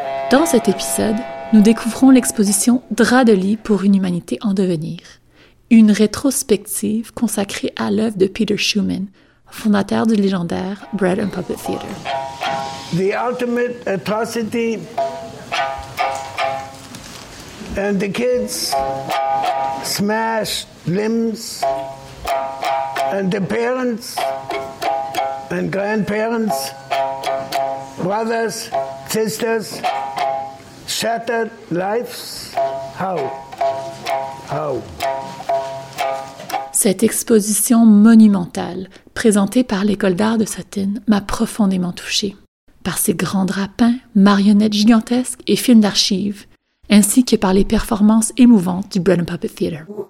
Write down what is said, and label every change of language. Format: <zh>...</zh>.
<fr>Dans cet épisode, nous découvrons l'exposition « Drap de lit pour une humanité en devenir », une rétrospective consacrée à l'œuvre de Peter Schumann, fondateur du légendaire Bread and Puppet Theatre.</fr> <en>The ultimate atrocity and the kids smashed limbs and the parents and grandparents, brothers, sisters, shattered lives. How?</en> <fr>Cette exposition monumentale, présentée par l'École d'art de Sutton, m'a profondément touchée. Par ses grands drapins, marionnettes gigantesques et films d'archives, ainsi que par les performances émouvantes du Bread and Puppet Theatre.</fr>